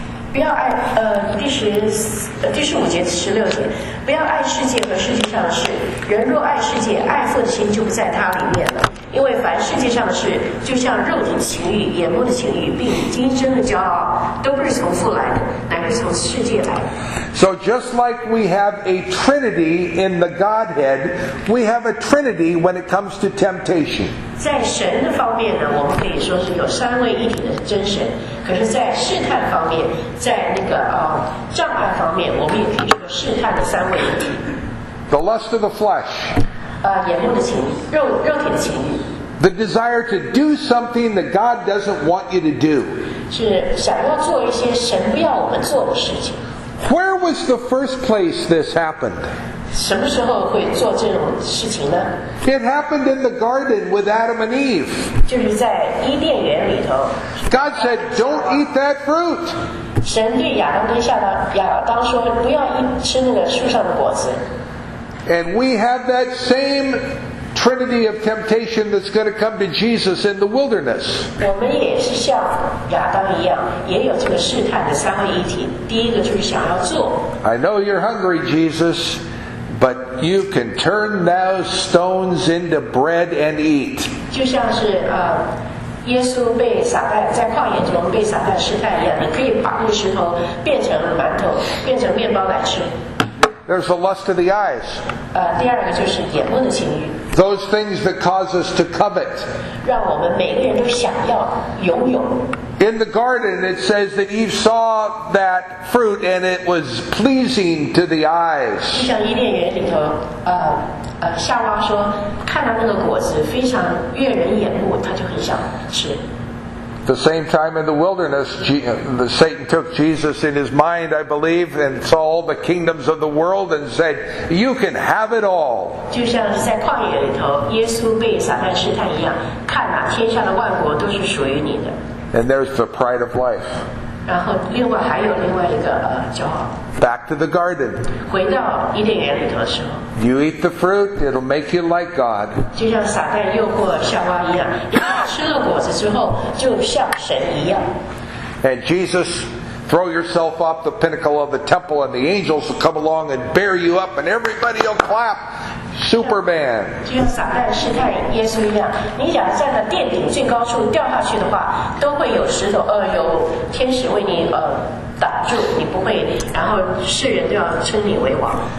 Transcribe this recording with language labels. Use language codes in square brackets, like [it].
[zh] 不要爱第十五节至十六节，不要爱世界和世界上的事。人若爱世界，爱父的心就不在他里面了。因为凡世界上的事，就像肉体情欲、眼目的情欲，并今生的骄傲，都不是从父来的，乃是从世界来的。 [en] So just like we have a Trinity in the Godhead, we have a Trinity when it comes to temptation. [zh] 在神的方面呢，我们可以说是有三位一体的真神。可是，在试探方面，在那个障碍方面，我们也可以说试探的三位一体。 [en] The lust of the flesh. [zh] 眼目的情欲，肉体的情欲。 [en] The desire to do something that God doesn't want you to do. [zh] 是想要做一些神不要我们做的事情。 [en] Where was the first place this happened? [zh] 什么时候会做这种事情呢？ [en] It happened in the garden with Adam and Eve. [zh] 就是在伊甸园里头。 [en] God said, don't eat that fruit. [zh] 神对亚当跟夏当，亚当说不要吃那个树上的果子。 [en] And we have that same trinity of temptation that's going to come to Jesus in the wilderness. [zh] 我们也是像亚当一样，也有这个试探的三位一体。第一个就是想要做。 [en] I know you're hungry, Jesus, but you can turn those stones into bread and eat. [zh] 就像是耶稣被撒旦在旷野中被撒旦试探一样，你可以把那石头变成馒头，变成面包来吃。 [en] There's the lust of the eyes. [zh] 第二个就是眼目的情欲。 [en] Those things that cause us to covet. [zh] 让我们每个人都想要拥有。 [en] In the garden, it says that Eve saw that fruit and it was pleasing to the eyes. [zh] 就像伊甸园里头，夏娃说看到那个果子非常悦人眼目，她就很想吃。 [en] The same time in the wilderness, Satan took Jesus in his mind, I believe, and saw all the kingdoms of the world and said, "You can have it all." [zh] 就像在旷野里头，耶稣被撒旦试探一样，看哪，天下的万国都是属于你的。 [en] And there's the pride of life. [zh] 然后另外还有另外一个叫。 [en] Back to the garden. [zh] 回到伊甸园里头的时候。 [en] You eat the fruit, it'll make you like God. [zh] 就像撒旦诱惑夏娃一样，因为吃了果子之后就像神一样。 [en] And Jesus. Throw yourself off the pinnacle of the temple and the angels will come along and bear you up and everybody will clap. Superman. [zh] 就像撒旦试探耶稣一样，你想站在殿顶最高处掉下去的话，都会有石头，有天使为你挡住，你不会，然后世人都要称你为王。